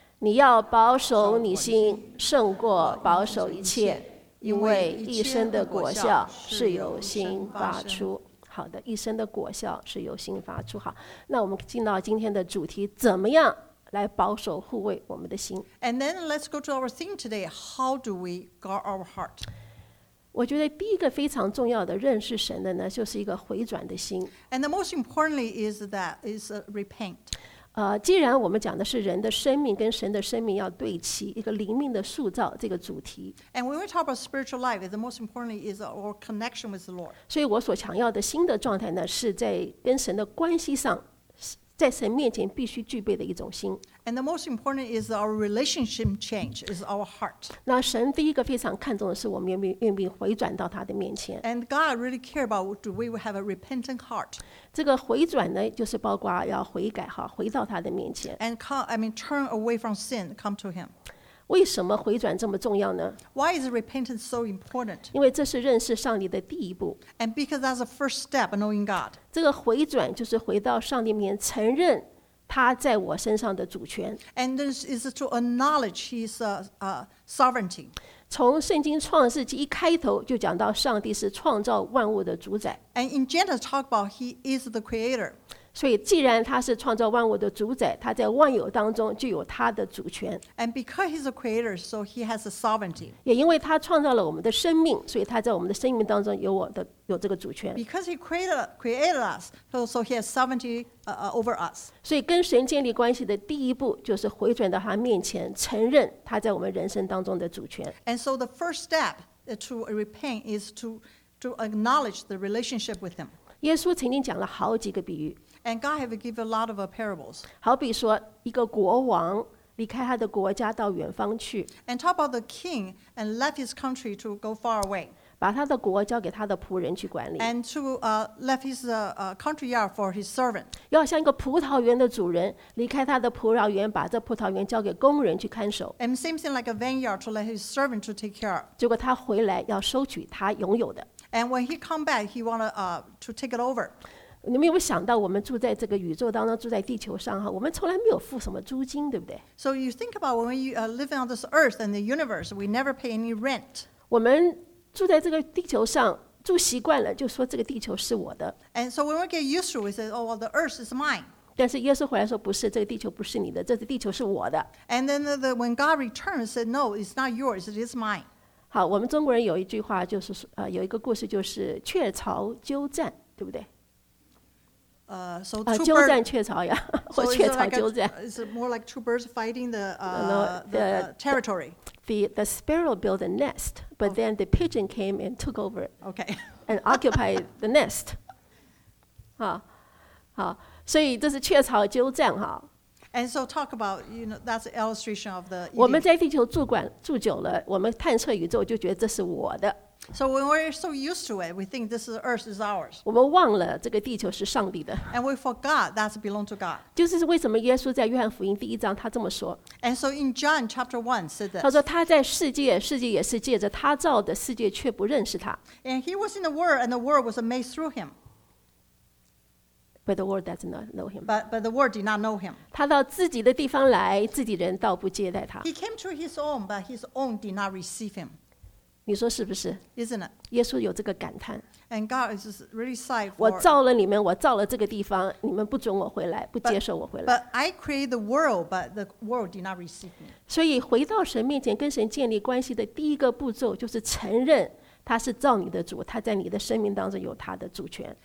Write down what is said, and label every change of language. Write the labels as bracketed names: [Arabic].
[Chinese] 你要保守你心，胜过保守一切，因为一生的果效是由心发出。好的，一生的果效是由心发出。好，那我们进到今天的主题，怎么样来保守护卫我们的心 [English] ？And then let's go to our theme today. How do we guard our heart? [Chinese] 我觉得第一个非常重要的认识神的呢，就是一个回转的心。 [English] And the most importantly is that is repent. [Chinese] 既然我们讲的是人的生命跟神的生命要对齐，一个灵命的塑造这个主题。 [English] And when we talk about spiritual life, the most importantly is our connection with the Lord. [Chinese] 所以我所强调的新的状态呢，是在跟神的关系上在神面前必须具备的一种心。 [English] And the most important is our relationship change, is our heart. [Chinese] 那神第一个非常看重的是我们愿不愿意回转到他的面前。 [English] And God really cares about do we have a repentant heart. [Chinese] 这个回转呢，就是包括要悔改哈，回到他的面前。 [English] And come, I mean, turn away from sin, come to Him. [Chinese] 为什么回转这么重要呢 [English] ？Why is repentance so important？ [Chinese] 因为这是认识上帝的第一步。 [English] And because that's the first step, knowing God。 [Chinese] 这个回转就是回到上帝面前，承认他在我身上的主权。 [English] And this is to acknowledge His sovereignty。 [Chinese] 从圣经创世纪一开头就讲到上帝是创造万物的主宰。 [English] And in Genesis, talk about He is the Creator。 [Chinese] 所以既然他是创造万物的主宰，他在万有当中就有他的主权。 [English] And because he's a creator, so he has a sovereignty. [Chinese] 也因为他创造了我们的生命，所以他在我们的生命当中有我的有这个主权。 [English] Because he created us, so he has sovereignty over us. [Chinese] 所以跟神建立关系的第一步就是回转到他面前，承认他在我们人生当中的主权。 [English] And so the first step to repent is to acknowledge the relationship with him. [Chinese] 耶稣曾经讲了好几个比喻。 [English] And God has given a lot of parables. [Chinese] 好比说，一个国王离开他的国家到远方去。 [English] And talk about the king and left his country to go far away. [Chinese] 把他的国交给他的仆人去管理。 [English] And to left his country yard for his servant. [Chinese] 要像一个葡萄园的主人离开他的葡萄园，把这葡萄园交给工人去看守。 [English] And same thing like a vineyard to let his servant to take care of. [Chinese] 结果他回来要收取他拥有的。 [English] And when he come back, he want to take it over. [Chinese] 你没有想到我们住在这个宇宙当中，住在地球上，我们从来没有付什么租金，对不对？ [English] So you think about when you live on this earth and the universe, we never pay any rent. [Chinese] 我们住在这个地球上，住习惯了，就说这个地球是我的。 [English] And so when we get used to it, we say, oh, well, the earth is mine. [Chinese] 但是耶稣回来说，不是，这个地球不是你的，这个地球是我的。 [English] And then when God returns, said, no, it's not yours, it is mine. [Chinese] 好，我们中国人有一句话，就是有一个故事，就是鹊巢鸠占，对不对？ [English] So [Chinese] 鸠占鹊巢呀，或鹊巢鸠占。 [English] It's more like two birds fighting the territory. The sparrow built a nest, but then the pigeon came and took over it. Okay. And occupied the nest. [Chinese] 所以这是鹊巢鸠占哈。 [English] And so talk about, you know, that's an illustration of the. [Chinese] 我们在地球住久了，我们探测宇宙就觉得这是我的。 [English] So when we're so used to it, we think this earth is ours. [Chinese] 我们忘了这个地球是上帝的。 [English] And we forgot that belongs to God. [Chinese] 就是为什么耶稣在约翰福音第一章他这么说。 [English] And so in John chapter 1 said this. [Chinese] 他说他在世界，世界也是借着他造的，世界却不认识他。 [English] And he was in the world, and the world was made through him. But the world does not know him. But the world did not know him. [Chinese] 他到自己的地方来，自己人倒不接待他。 [English] He came to his own, but his own did not receive him. [Chinese] 你说是不是 [English] ？Isn't it？ [Chinese] 耶稣有这个感叹。 [English] And God is really sad. [Chinese] 我造了你们，我造了这个地方，你们不准我回来，不接受我回来。 [English] But I created the world, but the world did not receive me. [Chinese] 所以回到神面前，跟神建立关系的第一个步骤就是承认他是造你的主，他在你的生命当中有他的主权。